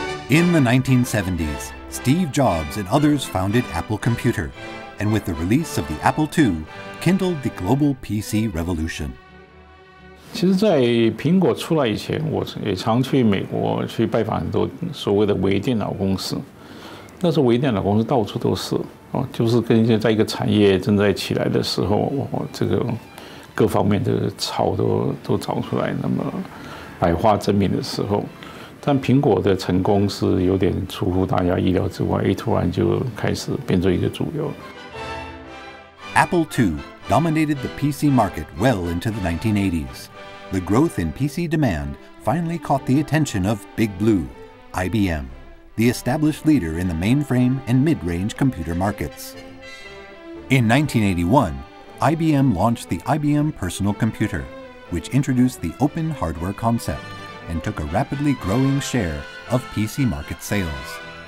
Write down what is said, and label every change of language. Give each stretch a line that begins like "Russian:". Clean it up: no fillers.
English: In the 1970s, Steve Jobs and others founded Apple Computer, and with the release of the Apple II, kindled the global PC revolution.
Chinese: 其实，在苹果出来以前，我也常去美国去拜访很多所谓的微电脑公司。那时候，微电脑公司到处都是，就是跟现在一个产业正在起来的时候，这个各方面的潮都找出来，那么百花争鸣的时候。但苹果的成功是有点出乎大家意料之外，突然就开始变成一个主流。
English: Apple II dominated the PC market well into the 1980s. The growth in PC demand finally caught the attention of Big Blue, IBM, the established leader in the mainframe and mid-range computer markets. In 1981, IBM launched the IBM Personal Computer, which introduced the open hardware concept and took a rapidly growing share of PC market sales.